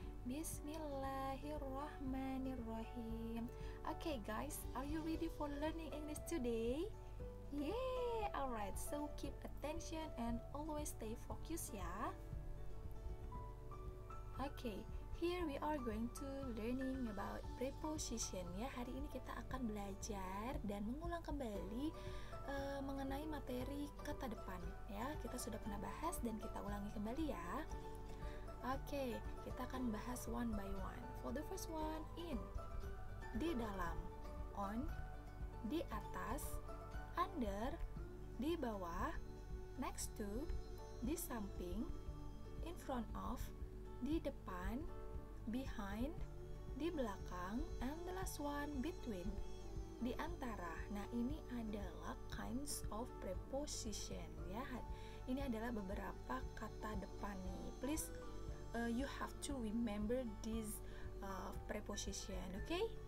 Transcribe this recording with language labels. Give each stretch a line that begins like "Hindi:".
Arabic: Bismillahirrahmanirrahim.
English: Okay guys, are you ready for learning English today? Yay! Alright, so keep attention and always stay focused, ya. Okay, here we are going to learning about preposition, ya.
Indonesian: Hari ini kita akan belajar dan mengulang kembali mengenai materi kata depan, ya. Kita sudah pernah bahas dan kita ulangi kembali, ya. Okay, kita akan bahas
English: one by one. For the first one,
Indonesian: in, di dalam, on, di atas, under, di bawah, next to, di samping, in front of, di depan, behind, di belakang,
English: and the last one,
Indonesian: between, di antara. Nah, ini adalah
English: kinds of preposition,
Indonesian: ya. Ini adalah beberapa kata depan nih.
English: Please, you have to remember this preposition, okay?